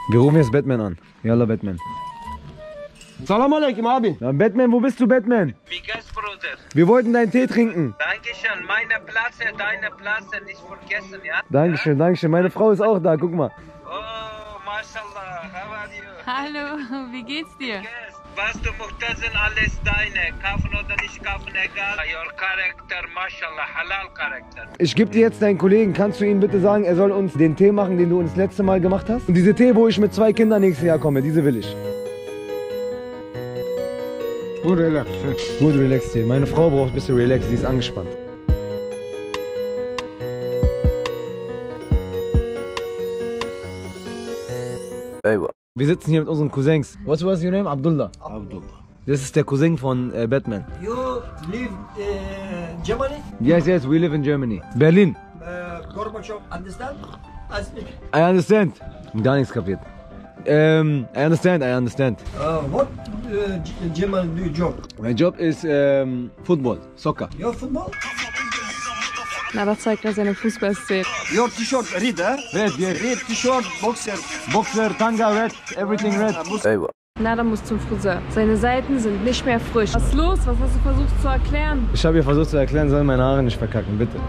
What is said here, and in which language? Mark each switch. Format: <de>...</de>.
<de>Wir rufen jetzt Batman an.</de> <ar>Yalla Batman. Salam alaikum, Abi.</ar> <de>Batman, wo bist du, Batman? Wie geht's, Bruder? Wir wollten deinen Tee trinken. Dankeschön, meine Platze, deine Platze, nicht vergessen, ja? Dankeschön, dankeschön. Meine Frau ist auch da, guck mal.</de> <en>Oh, mashallah, how are you?</en> <de>Hallo, wie geht's dir? Wie geht's? Was du möchtest, sind alles deine. Kaufen oder nicht kaufen, egal.</de> <en>Your character, mashallah, halal character.</en> <de>Ich gebe dir jetzt deinen Kollegen. Kannst du ihm bitte sagen, er soll uns den Tee machen, den du uns letzte Mal gemacht hast? Und diese Tee, wo ich mit zwei Kindern nächstes Jahr komme, diese will ich. Gut relax. Gut relax, Tee. Meine Frau braucht ein bisschen relax, sie ist angespannt.</de> <ar>Aywa.</ar> <de>Wir sitzen hier mit unseren Cousins.</de> <en>What was your name? Abdullah. Abdullah.</en> <de>Das ist der Cousin von Batman.</de> <en>You live in Germany? Yes, yes, we live in Germany. Berlin. Gorbachev, understand? I speak. I understand.</en> <de>Gar nichts kapiert.</de> <en>I understand, I understand. What German do you job? My job is football, soccer. Your football?</en> <de>Na, das zeigt er seine Fußballszene.</de> <en>Your T-Shirt red, eh? Red, yes. Red T-Shirt, Boxer. Boxer, Tanga, red, everything red.</en> <de>Na, dann muss zum Friseur. Seine Seiten sind nicht mehr frisch. Was ist los? Was hast du versucht zu erklären? Ich habe ihr versucht zu erklären, soll meine Haare nicht verkacken, bitte.</de>